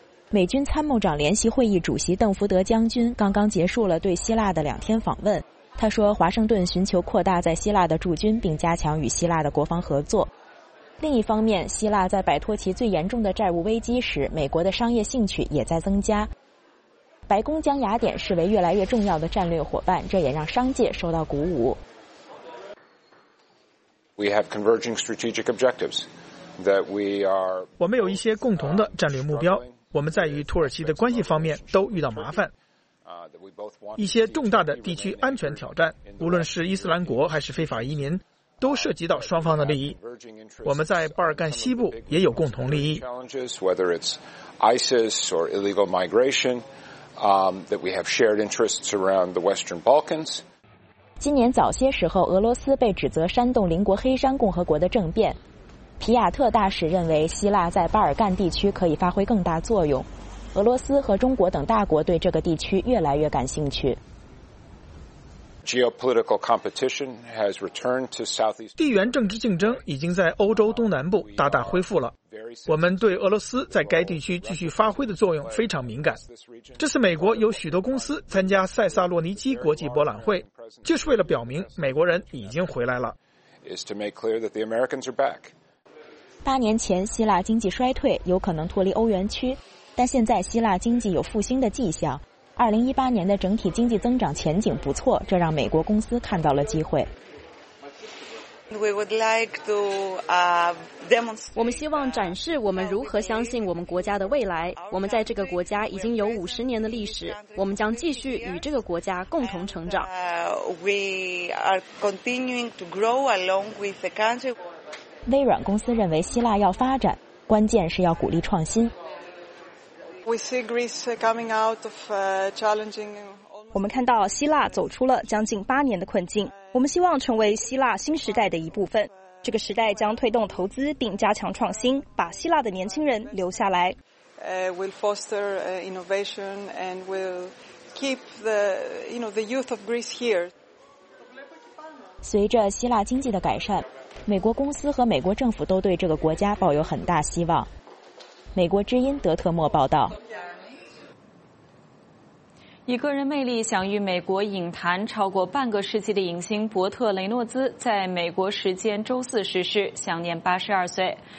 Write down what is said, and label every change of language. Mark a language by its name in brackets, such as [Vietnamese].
[Chinese] 美军参谋长联席会议主席邓福德将军刚刚结束了对希腊的两天访问，他说华盛顿寻求扩大在希腊的驻军，并加强与希腊的国防合作。另一方面，希腊在摆脱其最严重的债务危机时，美国的商业兴趣也在增加。白宫将雅典视为越来越重要的战略伙伴，这也让商界受到鼓舞。 [English] We have converging strategic objectives that we are. [Chinese] 我们有一些共同的战略目标，我们在与土耳其的关系方面都遇到麻烦。一些重大的地区安全挑战，无论是伊斯兰国还是非法移民，都涉及到双方的利益。我们在巴尔干西部也有共同利益。 [English] Whether it's ISIS or illegal migration, that we have shared interests around the Western Balkans. [Chinese] 今年早些时候，俄罗斯被指责煽动邻国黑山共和国的政变。皮亚特大使认为，希腊在巴尔干地区可以发挥更大作用。俄罗斯和中国等大国对这个地区越来越感兴趣。 [English] Geopolitical competition has returned to Southeast. [Chinese] 地缘政治竞争已经在欧洲东南部大大恢复了。我们对俄罗斯在该地区继续发挥的作用非常敏感。这次美国有许多公司参加塞萨洛尼基国际博览会，就是为了表明美国人已经回来了。八年前希腊经济衰退，有可能脱离欧元区，但现在希腊经济有复兴的迹象。 2018年的整体经济增长前景不错，这让美国公司看到了机会。我们希望展示我们如何相信我们国家的未来。我们在这个国家已经有50年的历史，我们将继续与这个国家共同成长。 [English] We are continuing to grow along with the country. [Chinese] 微软公司认为，希腊要发展，关键是要鼓励创新。 [English] We see Greece coming out of challenging. [Chinese] 我们看到希腊走出了将近8年的困境。我们希望成为希腊新时代的一部分。这个时代将推动投资并加强创新，把希腊的年轻人留下来。 [English] Will foster innovation and will keep the youth of Greece here. [Chinese] 随着希腊经济的改善，美国公司和美国政府都对这个国家抱有很大希望。美国之音德特莫报道。以个人魅力享誉美国影坛超过半个世纪的影星伯特·雷诺兹在美国时间周四逝世，享年82岁。